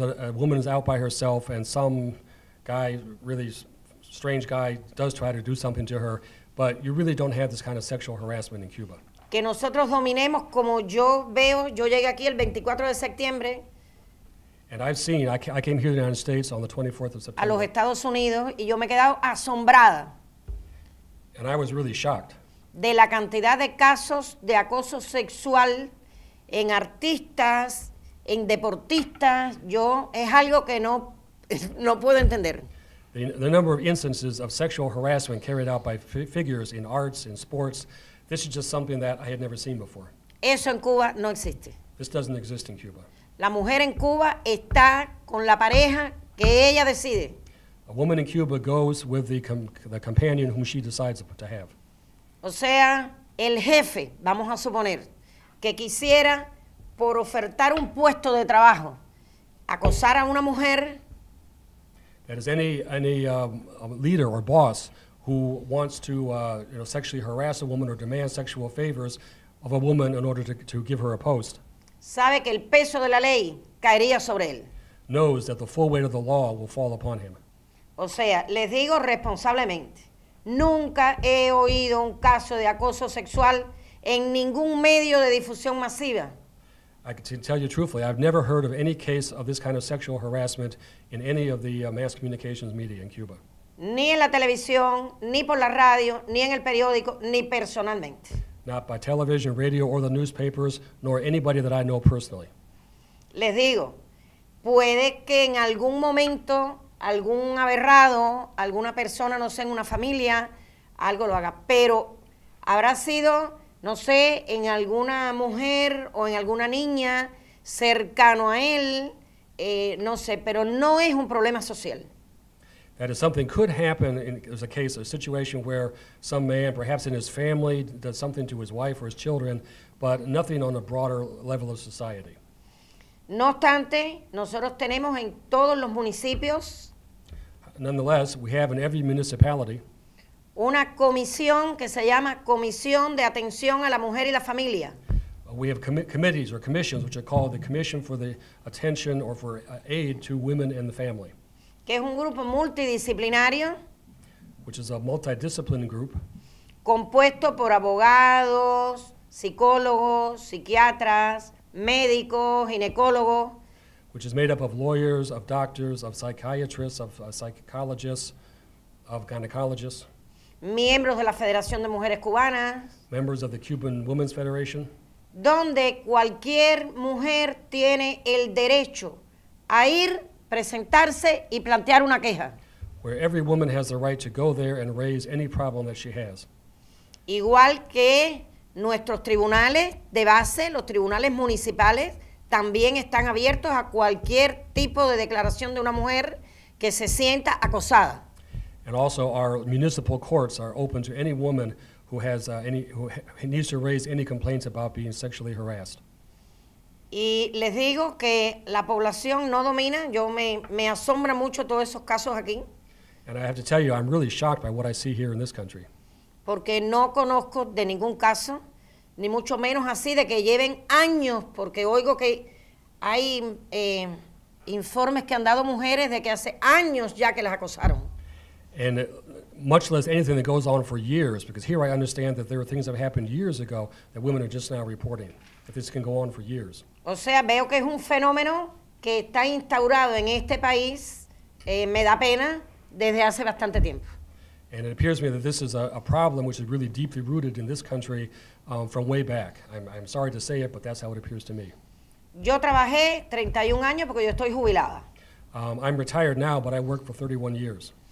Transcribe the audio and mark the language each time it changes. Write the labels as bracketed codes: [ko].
[en] A woman is out by herself and some guy, really strange guy, does try to do something to her. But you really don't have this kind of sexual harassment in Cuba. [es] Que nosotros dominemos, como yo veo, yo llegué aquí el 24 de septiembre. [en] And I've seen, I came here to the United States on the 24th of September. [es] A los Estados Unidos, y yo me he quedado asombrada. [en] And I was really shocked. [es] De la cantidad de casos de acoso sexual en artistas, en deportistas, yo, es algo que no puedo entender. [en] The number of instances of sexual harassment carried out by figures in arts, in sports, this is just something that I had never seen before. [es] Eso en Cuba no existe. [en] This doesn't exist in Cuba. [es] La mujer en Cuba está con la pareja que ella decide. [en] A woman in Cuba goes with the companion whom she decides to have. [es] O sea, el jefe, vamos a suponer, que quisiera, por ofertar un puesto de trabajo, acosar a una mujer. [en] That is any leader or boss who wants to sexually harass a woman or demand sexual favors of a woman in order to give her a post. [es] Sabe que el peso de la ley caería sobre él. [en] Knows that the full weight of the law will fall upon him. [es] O sea, les digo responsablemente, nunca he oído un caso de acoso sexual en ningún medio de difusión masiva. [en] I can tell you truthfully, I've never heard of any case of this kind of sexual harassment in any of the mass communications media in Cuba. [es] Ni en la televisión, ni por la radio, ni en el periódico, ni personalmente. [en] Not by television, radio, or the newspapers, nor anybody that I know personally. [es] Les digo, puede que en algún momento algún aberrado, alguna persona, no sé, en una familia, algo lo haga, pero habrá sido, no sé, en alguna mujer o en alguna niña cercano a él, no sé, pero no es un problema social. [en] That is something could happen in there's a case, a situation where some man, perhaps in his family, does something to his wife or his children, but nothing on a broader level of society. [es] No obstante, nosotros tenemos en todos los municipios. [en] Nonetheless, we have in every municipality. [es] Una comisión que se llama Comisión de Atención a la Mujer y la Familia. [en] We have committees or commissions which are called the Commission for the Attention or for Aid to Women and the Family. [es] Que es un grupo multidisciplinario. [en] Which is a multidisciplinary group. [es] Compuesto por abogados, psicólogos, psiquiatras, médicos, ginecólogos. [en] Which is made up of lawyers, of doctors, of psychiatrists, of psychologists, of gynecologists. [es] Miembros de la Federación de Mujeres Cubanas. [en] Members of the Cuban Women's Federation. [es] Donde cualquier mujer tiene el derecho a ir, presentarse y plantear una queja. [en] Where every woman has the right to go there and raise any problem that she has. [es] Igual que nuestros tribunales de base, los tribunales municipales, también están abiertos a cualquier tipo de declaración de una mujer que se sienta acosada. [en] And also our municipal courts are open to any woman who has needs to raise any complaints about being sexually harassed. [es] Y les digo que la población no domina, yo me asombra mucho todos esos casos aquí. [en] And I have to tell you, I'm really shocked by what I see here in this country. [es] Porque no conozco de ningún caso, ni mucho menos así de que lleven años, porque oigo que hay informes que han dado mujeres de que hace años ya que las acosaron. [en] And much less anything that goes on for years, because here I understand that there are things that have happened years ago that women are just now reporting, that this can go on for years. [es] O sea, veo que es un fenómeno que está instaurado en este país, me da pena, desde hace bastante tiempo. [en] And it appears to me that this is a problem which is really deeply rooted in this country from way back. I'm sorry to say it, but that's how it appears to me. [es] Yo trabajé 31 años porque yo estoy jubilada. [en] I'm retired now, but I worked for 31 years.